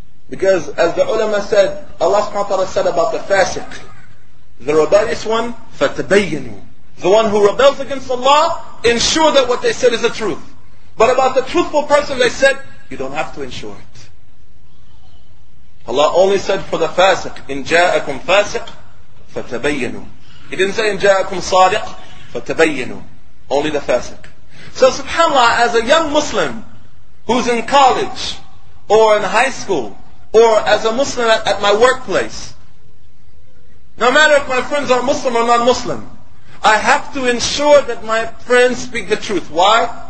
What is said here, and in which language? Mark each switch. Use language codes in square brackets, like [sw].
[en] Because as the ulama said, Allah subhanahu wa ta'ala said about the fasiq, the rebellious one, فَتَبَيَّنُوا, the one who rebels against Allah, ensure that what they said is the truth. But about the truthful person, they said, you don't have to ensure it. Allah only said for the fasiq, [ar] إِن جَاءَكُمْ فَاسِقْ فَتَبَيَّنُوا. [en] He didn't say, [ar] إِن جَاءَكُمْ صَادِقْ فَتَبَيَّنُوا. [en] Only the fasiq. So subhanAllah, as a young Muslim, who's in college, or in high school, or as a Muslim at my workplace, no matter if my friends are Muslim or non-Muslim, I have to ensure that my friends speak the truth. Why?